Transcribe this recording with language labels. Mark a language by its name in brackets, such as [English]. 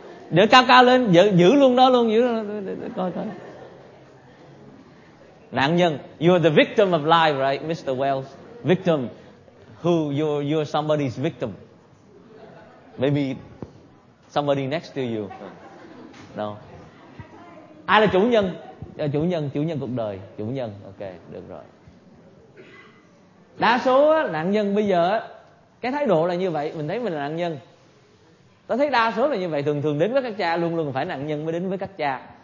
[Vietnamese] Giơ cao cao lên, giữ luôn đó, coi. Nạn nhân, [English] you are the victim of life, right, Mr. Wells? Victim, who you're somebody's victim. Maybe somebody next to you. No. [Vietnamese] Ai là chủ nhân? Chủ nhân cuộc đời, chủ nhân, ok, được rồi. Đa số nạn nhân bây giờ, cái thái độ là như vậy, mình thấy mình là nạn nhân. Ta thấy đa số là như vậy, thường thường đến với các cha luôn luôn phải nạn nhân mới đến với các cha.